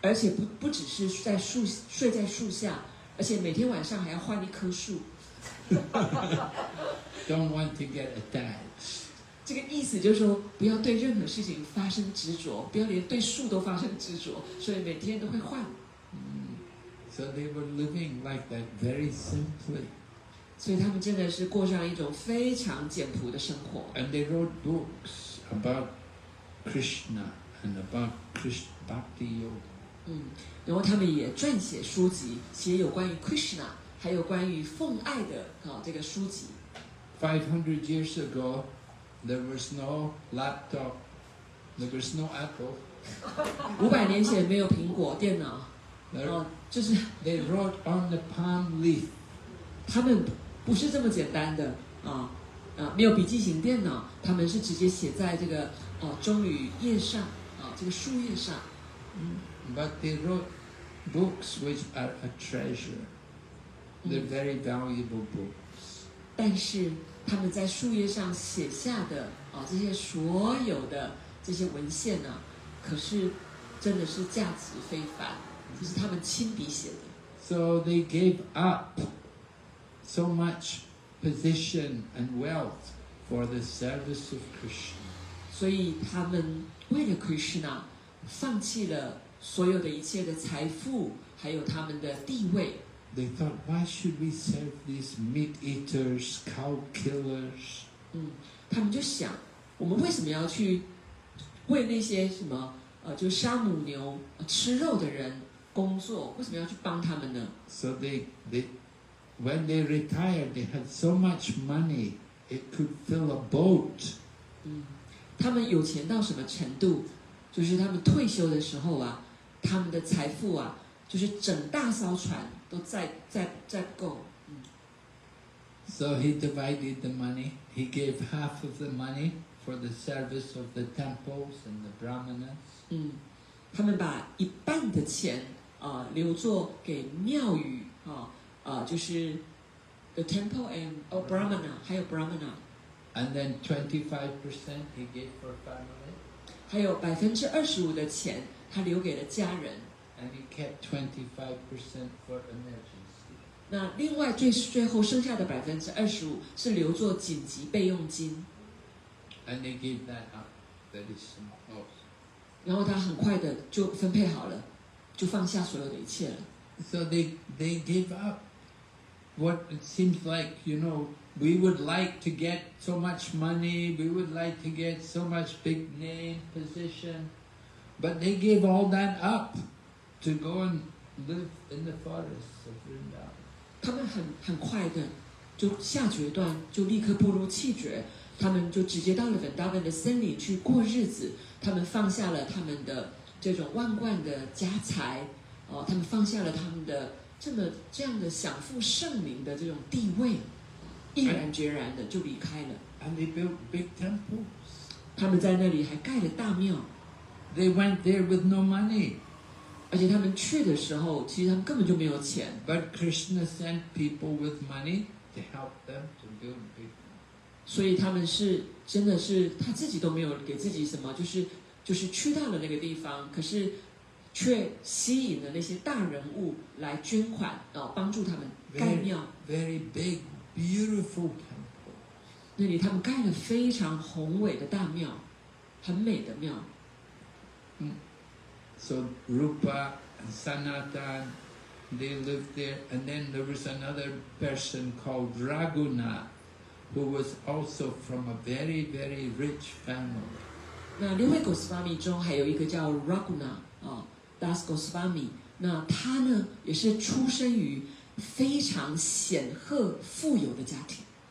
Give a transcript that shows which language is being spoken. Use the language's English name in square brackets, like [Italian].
[Chinese] 而且不只是在树睡在树下。而且每天晚上还要换一棵树。 [English] Don't want to get attached. [Chinese] 这个意思就是说，不要对任何事情发生执着，不要连对树都发生执着，所以每天都会换。 [English] So they were living like that very simply. [Chinese] 所以他们真的是过上一种非常简朴的生活。 [English] And they wrote books about Krishna and about Bhakti Yoga. [Chinese] 嗯，然后他们也撰写书籍，写有关于 Krishna， 还有关于奉爱的啊、哦、这个书籍。 [English] 500 years ago, there was no laptop, there was no Apple. [Chinese] 500年前没有苹果电脑。 [English] There, [Chinese] 哦，就是。 [English] They wrote on the palm leaf. [Chinese] 他们。不是这么简单的啊，啊，没有笔记型电脑，他们是直接写在这个哦棕榈叶上啊，这个树叶上。 [English] But they wrote books which are a treasure. They're very valuable books. [Chinese] 但是他们在树叶上写下的啊，这些所有的这些文献呢，可是真的是价值非凡，就是他们亲笔写的。 [English] So they gave up. So much position and wealth for the service of Krishna. [Chinese] 所以他们为了 Krishna 放弃了所有的一切的财富，还有他们的地位。 [English] They thought, why should we serve these meat eaters, cow killers? [Chinese] 嗯，他们就想，我们为什么要去为那些什么就杀母牛、吃肉的人工作？为什么要去帮他们呢 [English] ？So they. When they retired, they had so much money, it could fill a boat. [Chinese] 他们有钱到什么程度？就是他们退休的时候啊，他们的财富啊，就是整大艘船都在够。 [English] So he divided the money. He gave half of the money for the service of the temples and the brahmanas. [Chinese] 他们把一半的钱啊留作给庙宇啊。就是 [English] the temple and oh, Brahmana, [Chinese] 还有 [English] Brahmana. And then 25% he gave for family. [Chinese] 还有25%的钱他留给了家人。 [English] And he kept 25% for emergency. [Chinese] 那另外最后剩下的25%是留作紧急备用金。 [English] And he gave that up, that is some house. [Chinese] 然后他很快的就分配好了，就放下所有的一切了。 [English] So they gave up what it seems like, you know, we would like to get so much money, we would like to get so much big name position, but they gave all that up to go and live in the forests of Vrindavan. [Chinese] 他们很快的就下决断，就立刻不如气绝，他们就直接到了 Vrindavan 的森林去过日子，他们放下了他们的这种万贯的家财。哦、他们放下了他们的这样的享负盛名的这种地位，毅然决然的就离开了。 [English] And they built big temples. [Chinese] 他们在那里还盖了大庙。 [English] They went there with no money. [Chinese] 而且他们去的时候，其实他们根本就没有钱。 [English] But Krishna sent people with money to help them to build big temples. [Chinese] 所以他们是真的是他自己都没有给自己什么，就是去到了那个地方，可是。却吸引了那些大人物来捐款，帮助他们盖庙。 [English] Very big, beautiful temple. [Chinese] 那里他们盖了非常宏伟的大庙，很美的庙。 [English] So Rupa and Sanatan, they lived there, and then there was another person called Raguna, who was also from a very, very rich family. [Chinese] 那六位 Goswami 中还有一个叫 Raguna，Das Goswami， 那他呢也是出生于非常显赫富有的家庭。